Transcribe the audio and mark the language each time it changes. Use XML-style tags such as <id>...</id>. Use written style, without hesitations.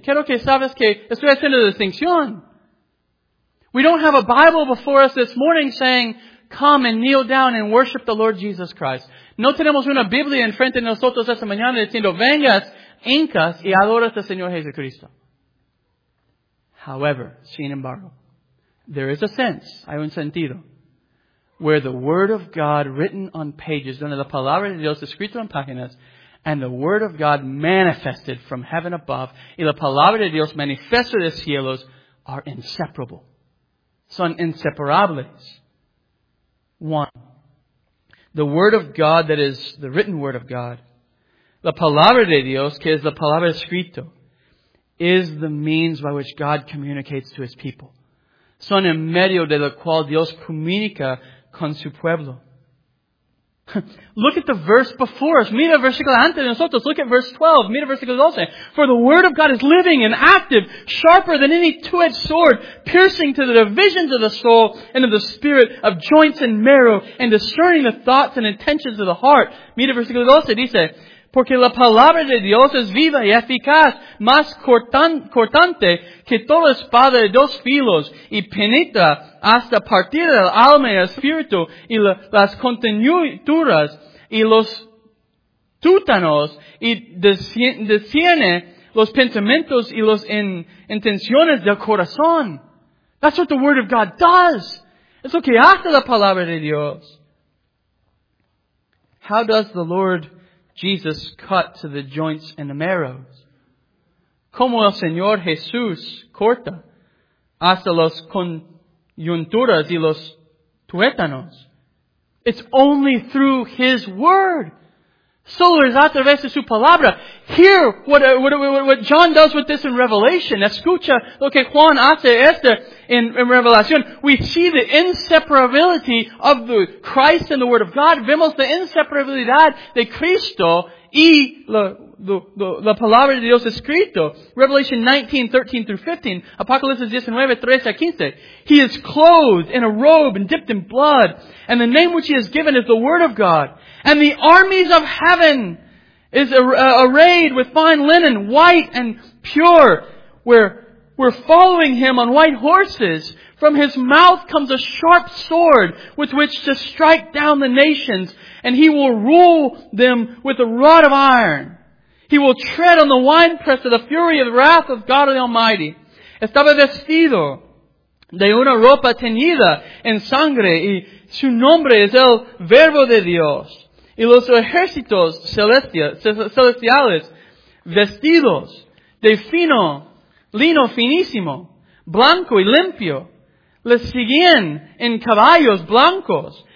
<es>Quiero que sabes que estoy haciendo la distinción.</es> <en>We don't have a Bible before us this morning saying, come and kneel down and worship the Lord Jesus Christ.</en> <es>No tenemos una Biblia enfrente de nosotros esta mañana diciendo, vengas, hincas y adoras al Señor Jesucristo.</es> <en>However,</en> <es>sin embargo,</es> <en>there is a sense,</en> <es>hay un sentido,</es> <en>where the Word of God written on pages,</en> <es>donde la palabra de Dios escrito en páginas,</es> <en>and the Word of God manifested from heaven above,</en> <es>y la palabra de Dios manifiesta de cielos,</es> <en>are inseparable.</en> <es>Son inseparables.</es> <en>One, the Word of God that is the written Word of God,</en> <es>la palabra de Dios, que es la palabra escrito,</es> <en>is the means by which God communicates to His people.</en> <es>Son en medio de lo cual Dios comunica con su pueblo.</es> <en>Look at the verse before us.</en> <es>Mira el versículo antes de nosotros.</es> <en>Look at verse 12.</en> <es>Mira el versículo 12.</es> <en>For the word of God is living and active, sharper than any two-edged sword, piercing to the divisions of the soul and of the spirit, of joints and marrow, and discerning the thoughts and intentions of the heart.</en> <es>Mira el versículo 12. Dice, porque la palabra de Dios es viva y eficaz, más cortante que toda espada de dos filos, y penetra hasta partir del alma y el espíritu, y las contenturas y los tuétanos, y discierne los pensamientos y las intenciones del corazón.</es> <en>That's what the Word of God does.</en> <es>Es lo que hace la palabra de Dios.</es> <en>How does the Lord Jesus cut to the joints and the marrows?</en> <es>¿Cómo el Señor Jesús corta hasta las coyunturas y los tuétanos?</es> <en>It's only through His Word.</en> <es>Solo es a través de su palabra.</es> <en>Hear what John does with this in Revelation.</en> <es>Escucha lo que Juan hace este in Revelación.</es> <en>We see the inseparability of the Christ and the Word of God.</en> <es>Vemos la inseparabilidad de Cristo y la palabra de Dios escrito.</es> <en>Revelation 19:13-15. Apocalipsis 19:13-15. He is clothed in a robe and dipped in blood. And the name which He has given is the Word of God. And the armies of heaven is arrayed with fine linen, white and pure. We're following Him on white horses. From His mouth comes a sharp sword with which to strike down the nations. And He will rule them with a rod of iron. He will tread on the winepress of the fury of the wrath of God the Almighty.</en> <es>Estaba vestido de una ropa teñida en sangre y su nombre es el Verbo de Dios. Y los ejércitos celestiales, vestidos de fino lino finísimo, blanco y limpio, les siguen en caballos blancos.</es>